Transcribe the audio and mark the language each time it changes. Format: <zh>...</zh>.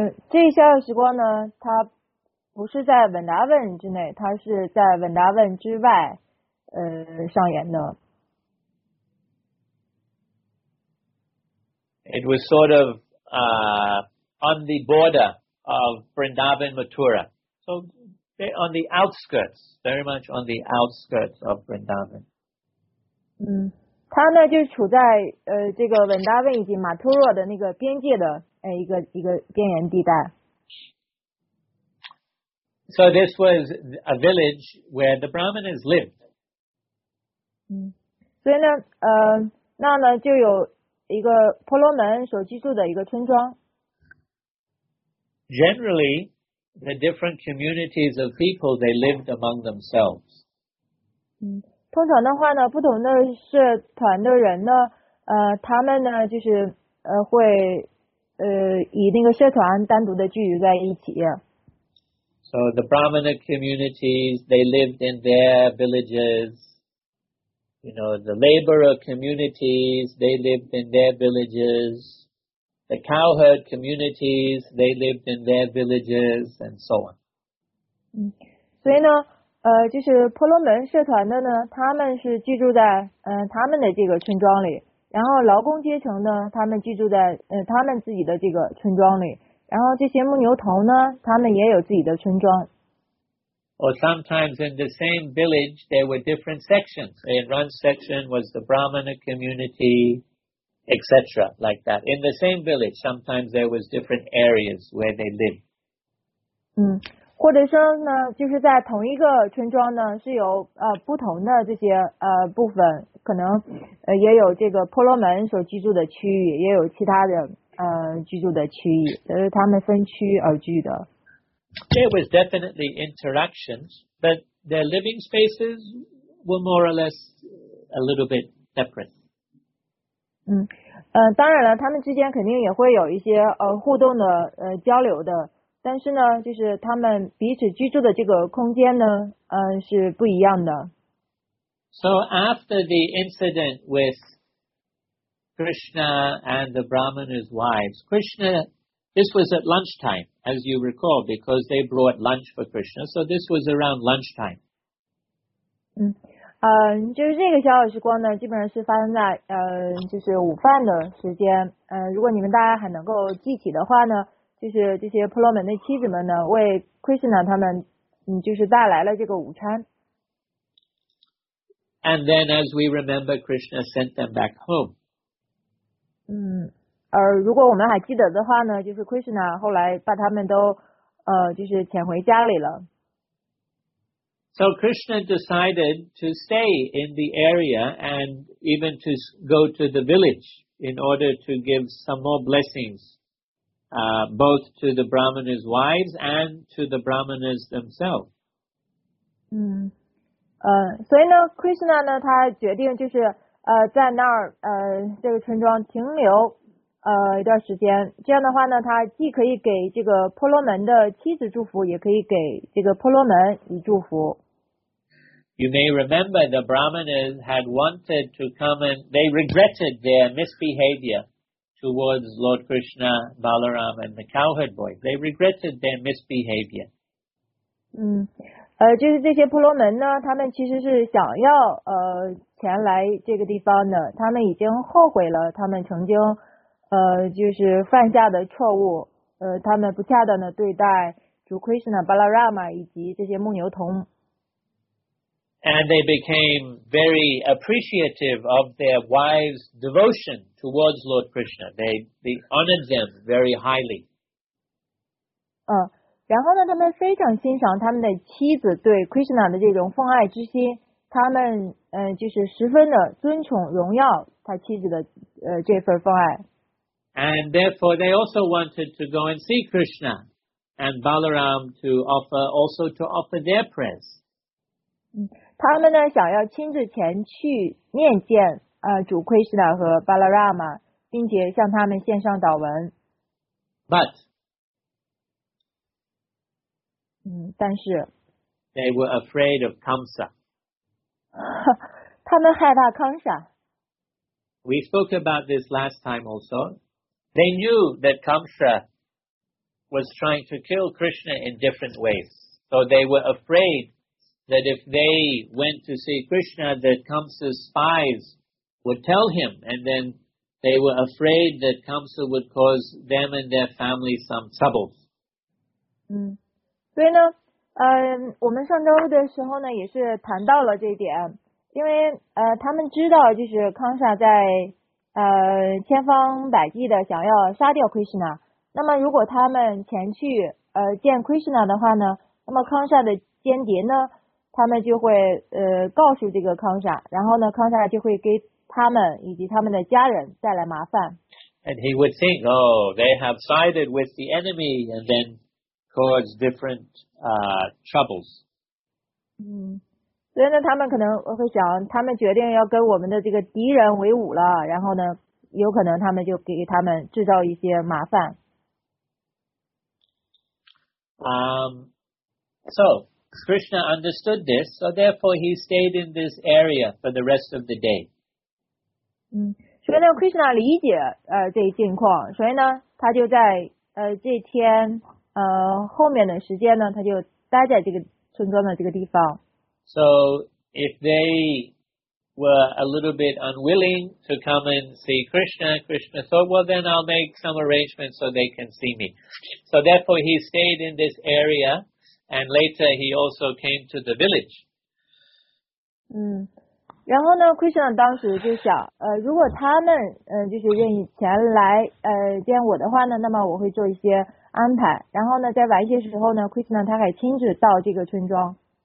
<zh>这一下的时光呢, 它不是在文达文之内, 它是在文达文之外, 上演的。</zh> <en>It was sort of on the border of Vrindavan Mathura. So on the outskirts, very much on the outskirts of Vrindavan.</en> <zh>它呢就处在 这个文达文以及马托若的那个边界的 一个边缘地带。</zh> <en>So this was a village where the Brahmanas lived.</en> <zh>所以呢, 那呢就有一个婆罗门所居住的一个村庄。</zh> <en>Generally, the different communities of people, they lived among themselves.</en> <zh>通常的话呢, 不同的社团的人呢, 他们呢, 就是, 会, 以那个社团单独的聚集在一起。</zh> <en>So the Brahmana communities, they lived in their villages. You know, the laborer communities, they lived in their villages. The cowherd communities, they lived in their villages, and so on.</en> <zh>所以呢, 就是婆罗门社团的呢, 他们是居住在, 他们的这个村庄里。然后劳工阶层呢, 他们居住在, 他们自己的这个村庄里。然后这些牧牛童呢, 他们也有自己的村庄。</zh> <en>Or sometimes in the same village, there were different sections. In one section was the Brahmana community, etc. like that. In the same village, sometimes there was different areas where they lived.</en> <zh>或者说呢, 就是在同一个村庄呢, 是有, 不同的这些, 部分, 可能, 也有这个婆罗门所居住的区域, 也有其他的, 居住的区域, 他们分区而居的。</zh> <en>There was definitely interactions, but their living spaces were more or less a little bit separate.</en> <zh>当然了, 他们之间肯定也会有一些, 互动的, 交流的。但是呢, 就是他们彼此居住的这个空间呢, 是不一样的。</zh> <en>So after the incident with Krishna and the Brahmana's wives, Krishna, this was at lunchtime, as you recall, because they brought lunch for Krishna, so this was around lunchtime.</en> <zh>就是这个小小时光呢, 基本上是发生在, 就是午饭的时间, 如果你们大家还能够记起的话呢, 就是这些婆罗门的妻子们呢, 为 Krishna 他们, 就是带来了这个午餐。</zh> <en>And then, as we remember, Krishna sent them back home.</en> <zh>而如果我们还记得的话呢, 就是 Krishna 后来把他们都, 就是遣回家里了。</zh> <en>So Krishna decided to stay in the area and even to go to the village in order to give some more blessings. Both to the Brahmana's wives and to the Brahmanas themselves.</en> <zh>所以呢, Krishna 呢, 他决定就是, 在那儿, 这个村庄停留, 一段时间, 这样的话呢, 他既可以给这个婆罗门的妻子祝福, 也可以给这个婆罗门以祝福。</zh> <en>You may remember the Brahmanas had wanted to come and they regretted their misbehavior towards Lord Krishna, Balaram, and the cowherd boys. They regretted their misbehavior.</en> <zh>就是这些婆罗门呢, 他们其实是想要, 前来这个地方的, 他们已经后悔了他们曾经, 就是犯下的错误, 他们不恰当的 对待主 Krishna, Balarama, 以及这些牧牛童。</zh> <en>And they became very appreciative of their wives' devotion towards Lord Krishna. They honored them very highly.</en> <zh>然后呢, 他们非常欣赏他们的妻子对 Krishna的这种奉爱之心, 他们, 就是十分的尊崇荣耀他妻子的, 这份奉爱。</zh> <en>And therefore they also wanted to go and see Krishna and Balaram to offer, also to offer their prayers.</en> <zh>他们呢, 想要亲自前去面见, 主 Krishna 和 Balarama, 并且向他们献上祷文。</zh> <en>But,</en> <zh>但是</zh> <en>they were afraid of Kamsa.</en> <zh>他们害怕康萨。</zh> <en>We spoke about this last time also. They knew that Kamsa was trying to kill Krishna in different ways. So they were afraid that if they went to see Krishna, that Kamsa's spies would tell him, and then they were afraid that Kamsa would cause them and their family some troubles.</en> <zh>所以呢，我们上周的时候呢，也是谈到了这一点，因为他们知道就是康萨在千方百计的想要杀掉 Krishna， 那么如果他们前去见 Krishna 的话呢，那么康萨的间谍呢，他们就会告诉这个康萨，然后呢，康萨就会给他们以及他们的家人带来麻烦。</zh> <en>And he would think, oh, they have sided with the enemy, and then cause different troubles.</en> <zh>所以呢，他们可能会想，他们决定要跟我们的这个敌人为伍了，然后呢，有可能他们就给他们制造一些麻烦。</zh> <en>So Krishna understood this, so therefore he stayed in this area for the rest of the day.</en> <zh>所以呢 ，Krishna 理解这一境况，所以呢，他就在这天后面的时间呢，他就待在这个村庄的这个地方。</zh> <en>So if they were a little bit unwilling to come and see Krishna, Krishna thought, well, then I'll make some arrangements so they can see me. So therefore, he stayed in this area, and later he also came to the village.</en> <zh>然后呢 ，Krishna 当时就想，如果他们就是愿意前来见我的话呢，那么我会做一些安排。然后呢，在晚些时候呢 ，Krishna 他还亲自到这个村庄。</zh>